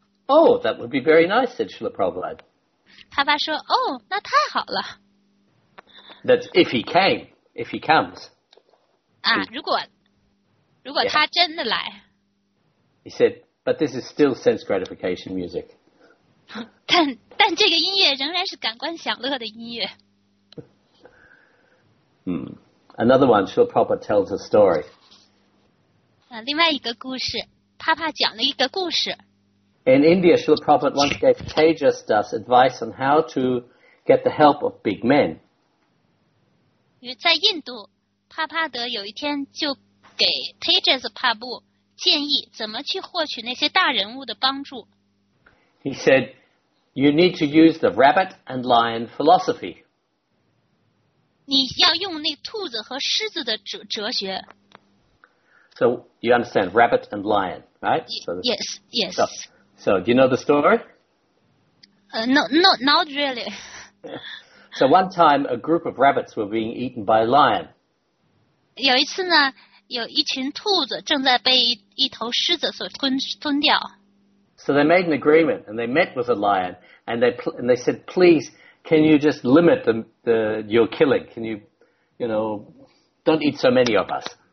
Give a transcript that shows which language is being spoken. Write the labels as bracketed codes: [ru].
[en] Oh, that would be very nice, said Srila Prabhupada. [zh] 帕帕说，哦，那太好了。 [en] That's if he comes. [zh] 啊，如果他真的来。 [en] He said, but this is still sense gratification music. [zh] 但这个音乐仍然是感官享乐的音乐。 [en] Another one, Srila Prabhupada tells a story. [zh] 另外一个故事，帕帕讲了一个故事。 [en] In India, Srila Prabhupada once gave Tejas Das advice on how to get the help of big men. [zh] 在印度，帕帕德有一天就给 Tejas 帕布建议怎么去获取那些大人物的帮助。 [en] He said, "You need to use the rabbit and lion philosophy." [zh] 你要用那兔子和狮子的哲学。 [en] So you understand rabbit and lion, right? Yes. So,So, do you know the story? No, not really. So, one time, a group of rabbits were being eaten by a lion. [zh] 有一次呢，有一群兔子正在被一头狮子所吞掉。 [en] So, they made an agreement, and they met with a lion, and they said, please, can you just limit your killing? Can you, you know, don't eat so many of us?